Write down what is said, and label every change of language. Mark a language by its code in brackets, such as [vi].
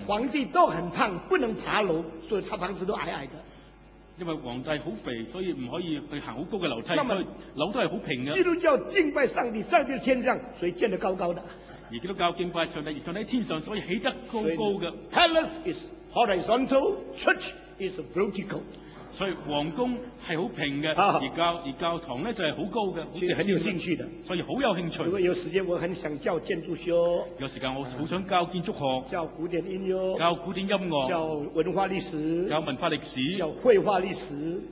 [zh] 皇帝都很胖，不能爬楼，所以他房子都矮矮的。因为皇帝很肥，所以不可以去行很高的楼梯，所以楼都是很平的。基督教敬拜上帝，上帝天上，所以建得高高的。而基督教敬拜上帝，上帝在天上，所以起得高高的。 [en] Palace is horizontal, church is vertical。 [zh] 所以皇宫是很平的，而教堂呢就是很高的，其实很有兴趣的，所以很有兴趣。如果有时间，我很想教建筑学。有时间我很想教建筑学，教古典音乐，教古典音乐，教文化历史，教文化历史，教绘画历史，